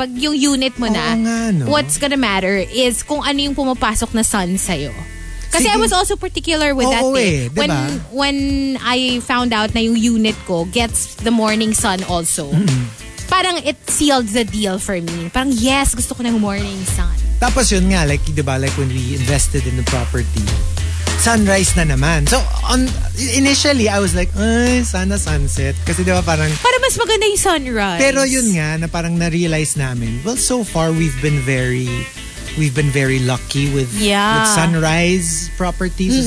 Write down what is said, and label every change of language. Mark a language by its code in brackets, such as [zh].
[tl] Pag yung unit mo na, nga, no? [en] What's gonna matter is [tl] kung ano yung pumapasok na sun sa'yo. Kasi sige. [en] I was also particular with that thing. [tl] Diba? [en] When I found out [tl] na yung unit ko [en] gets the morning sun also. Mm-hmm. [tl] Parang [en] it sealed the deal for me. [tl] Parang yes, gusto ko ng [en] morning sun. [tl] Tapos yun nga, [en] like, diba, like when we invested in the property, sunrise [tl] na naman. [en] So, initially, I was like, [tl] ay, sana [en] sunset. [tl] Kasi diba parang... Para mas maganda yung sunrise. Pero yun nga, na parang na-realize namin, [en] well, so far, we've been very lucky with sunrise properties.